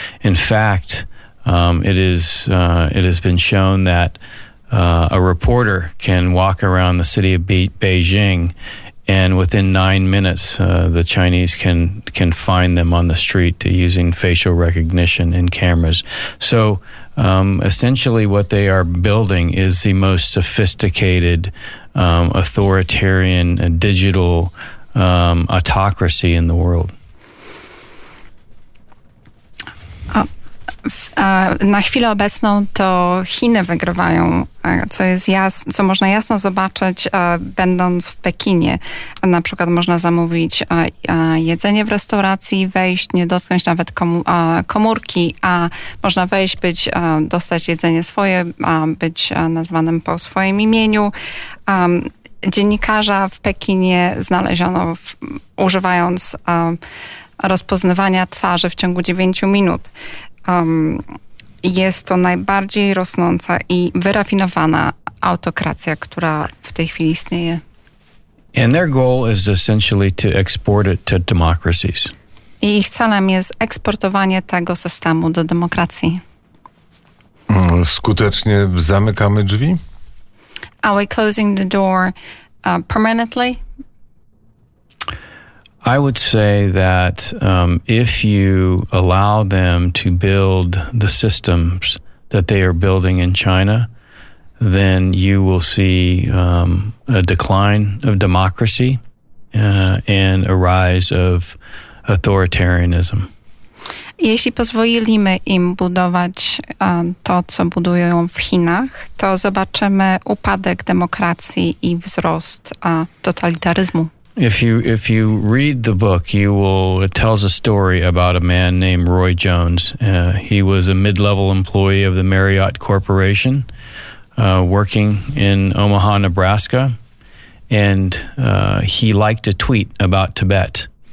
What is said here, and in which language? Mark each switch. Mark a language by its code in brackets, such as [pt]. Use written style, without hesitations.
[en] In fact, it has been shown that a reporter can walk around the city of Beijing, and within 9 minutes, the Chinese can find them on the street using facial recognition and cameras. So, essentially, what they are building is the most sophisticated authoritarian digital autocracy in the world. [pl] Na chwilę obecną to Chiny wygrywają, co jest co można jasno zobaczyć, będąc w Pekinie. Na przykład można zamówić jedzenie w restauracji, wejść, nie dotknąć nawet komórki, a można wejść, być, dostać jedzenie swoje, być nazwanym po swoim imieniu. Dziennikarza w Pekinie znaleziono, używając rozpoznawania twarzy, w ciągu 9 minut. Jest to najbardziej rosnąca i wyrafinowana autokracja, która w tej chwili istnieje. [en] And their goal is essentially to export it to democracies. [pl] I ich celem jest eksportowanie tego systemu do demokracji. Skutecznie zamykamy drzwi? [en] Are we closing the door permanently? I would say that if you allow them to build the systems that they are building in China, then you will see a decline of democracy and a rise of authoritarianism. [pl] Jeśli pozwolimy im budować to, co budują w Chinach, to zobaczymy upadek demokracji i wzrost totalitaryzmu. [en] If you read the book, it tells a story about a man named Roy Jones. He was a mid-level employee of the Marriott Corporation, working in Omaha, Nebraska, and he liked a tweet about Tibet.